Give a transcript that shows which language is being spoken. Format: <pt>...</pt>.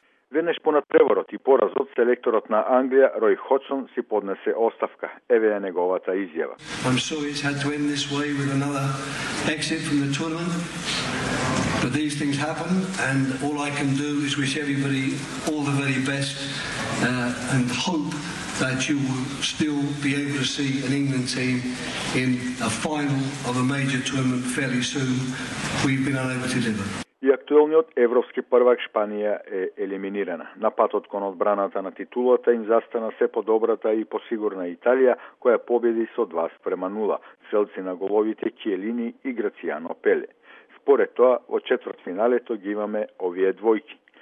<mk>Денеш по надпреварот и поразот, селекторот на Англија Рој Ходжсон си поднесе оставка. Еве ја неговата изјава.</mk> <en>I'm sure it's had to end this way with another exit from the tournament. But these things happen and all I can do is wish everybody all the very best and hope that you will still be able to see an England team in a final of a major tournament fairly soon. We've been unable to deliver.</en> <mk>И актуелниот европски првак Шпанија е елиминирана. На патот кон одбраната на титулата им застана се подобрата и посигурна Италија, која победи со 2:0, селци на головите Кијелини и Грацијано Пеле. Според тоа, во четврт финалето ги имаме овие двојки.</mk>